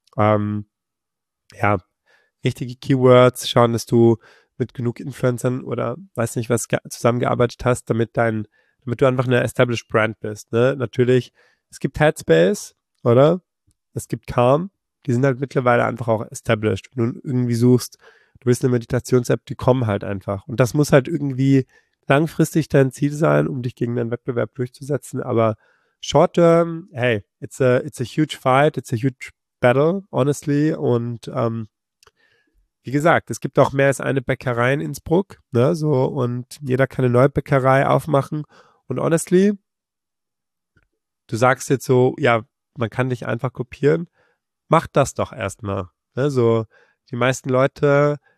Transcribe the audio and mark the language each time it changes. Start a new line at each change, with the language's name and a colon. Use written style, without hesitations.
German: Ja, richtige Keywords, schauen, dass du mit genug Influencern oder weiß nicht was zusammengearbeitet hast, damit du einfach eine Established Brand bist, ne, natürlich. Es gibt Headspace, oder? Es gibt Calm. Die sind halt mittlerweile einfach auch established. Wenn du irgendwie suchst, du willst eine Meditations-App, die kommen halt einfach. Und das muss halt irgendwie langfristig dein Ziel sein, um dich gegen deinen Wettbewerb durchzusetzen. Aber
English: short-term, hey, it's a huge fight, it's a huge battle, honestly.
German: Und wie gesagt, es gibt auch mehr als eine Bäckerei in Innsbruck. Ne? So, und jeder kann eine neue Bäckerei aufmachen. Und honestly, du sagst jetzt so, ja, man kann dich einfach kopieren. Mach das doch erstmal. Also, die meisten Leute,